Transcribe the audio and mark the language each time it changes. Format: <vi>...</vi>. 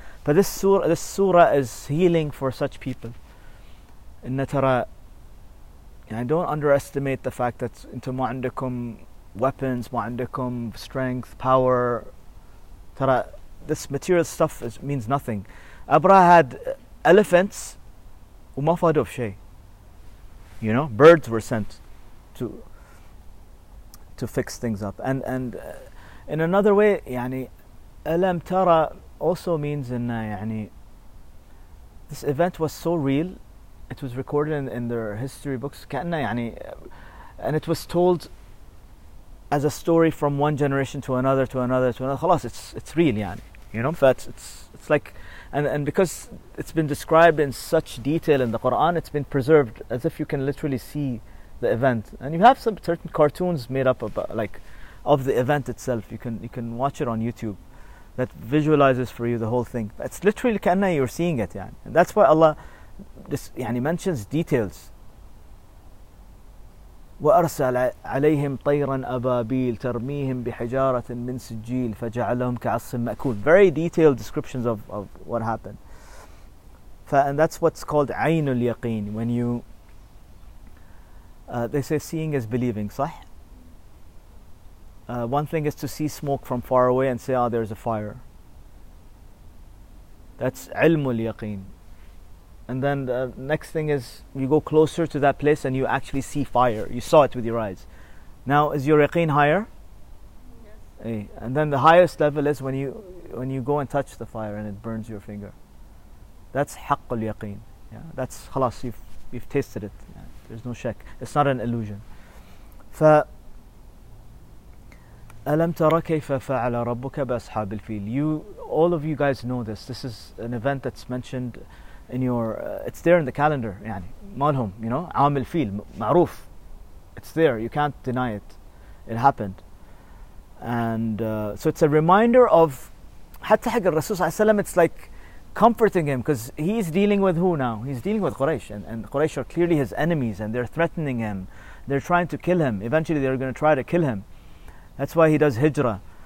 <en>But this surah is healing for such people. إن ترى يعني don't underestimate the fact that</en> <ar>أنت ما عندكم</ar> <en>weapons,</en> <ar>ما عندكم</ar> <en>strength, power. ترى this material stuff means nothing. Abraha had elephants</en> <ar>وما فادوا في شيء.</ar> <en>You know, birds were sent to fix things up. And in another way, يعني ألم ترى also means إن يعني this event was so real. It was recorded in their history books, and it was told as a story from one generation to another to another to another. خلاص, it's real, يعني. You know, it's like, and because it's been described in such detail in the Quran, it's been preserved as if you can literally see the event. And you have some certain cartoons made up of the event itself. You can watch it on YouTube that visualizes for you the whole thing. It's literally كأنه you're seeing it, يعني. And that's why Allah this يعني mentions details.</en> <ar>وأرسل عليهم طيرا أبابيل ترميهم بحجارة من سجيل فجعلهم كعص مأكول.</ar> <en>Very detailed descriptions of what happened. And that's what's called عين اليقين. When you they say seeing is believing, صح? One thing is to see smoke from far away and say, oh, there's a fire. That's علم اليقين. And then the next thing is you go closer to that place and you actually see fire. You saw it with your eyes. Now, is your yaqeen higher? Yes. Hey. And then the highest level is when you go and touch the fire and it burns your finger. That's حق اليقين. Yeah. That's خلاص, you've tasted it. Yeah. There's no shak. It's not an illusion.</en> <ar>فألم ترى كيف فعل ربك بأصحاب الفيل.</ar> <en>All of you guys know this. This is an event that's mentioned in your it's there in the calendar, يعني مالهم, you know,</en> <ar>عام الفيل معروف,</ar> <en>it's there, you can't deny it, it happened. And so it's a reminder of</en> <ar>حتى حق الرسول صلى الله عليه وسلم,</ar> <en>it's like comforting him because he's dealing with who now, he's dealing with Quraysh, and Quraysh are clearly his enemies and they're threatening him, they're trying to kill him, eventually they're going to try to kill him, that's why he does hijrah.</en>